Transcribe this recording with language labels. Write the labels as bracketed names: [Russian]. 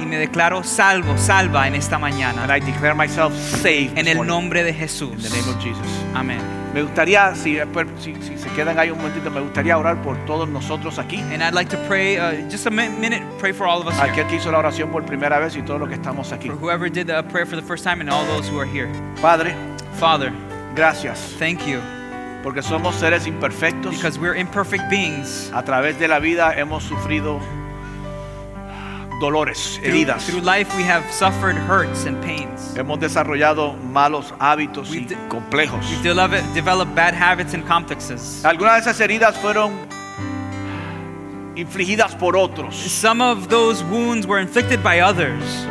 [Spanish] y me declaro salvo, salva en esta mañana, [English] and I declare myself saved, [Spanish] en el nombre de Jesús, [English] in the name of Jesus. Amen. [Spanish] Me gustaría, si se quedan ahí un momentito, me gustaría orar por todos nosotros aquí. [English] And I'd like to pray, just a minute, pray for all of us [Spanish] aquel [English] here. [Spanish] Aquel que hizo la oración por primera vez y todos los que estamos aquí. [English] For whoever did the prayer for the first time and all those who are here. [Spanish] Padre. [English] Father. [Spanish] Gracias. [English] Thank you. [Spanish] Porque somos seres imperfectos. [English] Because we're imperfect beings. [Spanish] A través de la vida hemos sufrido dolores, heridas. [English] Through life we have suffered hurts and pains. [Spanish] Hemos desarrollado malos hábitos y complejos. [English] We've developed bad habits and complexes. [Spanish] Algunas de esas heridas fueron infligidas por otros. [English] Some of those wounds were inflicted by others.